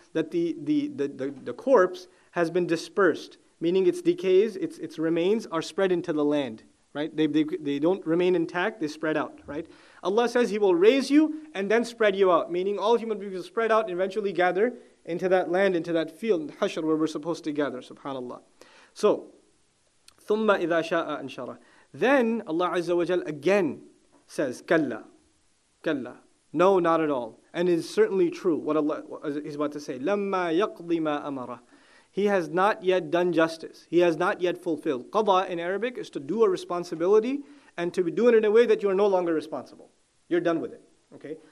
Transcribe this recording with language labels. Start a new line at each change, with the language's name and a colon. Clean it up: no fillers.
English: That the corpse has been dispersed, meaning its decays, its remains are spread into the land, right? They don't remain intact, they spread out, right? Allah says he will raise you and then spread you out, meaning all human beings will spread out and eventually gather into that land, into that field, Hashar, where we're supposed to gather, subhanAllah. So,
Arabic: ثُمَّ إِذَا شَاءَ أَنْشَرَ.
English: Then Allah Azza wa Jal again says, كَلَّا, كَلَّا. No, not at all. And it is certainly true what Allah is about to say.
Arabic: لَمَّا يَقْضِي مَا أَمَرَ.
English: He has not yet done justice. He has not yet fulfilled. Qadha in Arabic is to do a responsibility and to be doing it in a way that you are no longer responsible. You're done with it. Okay?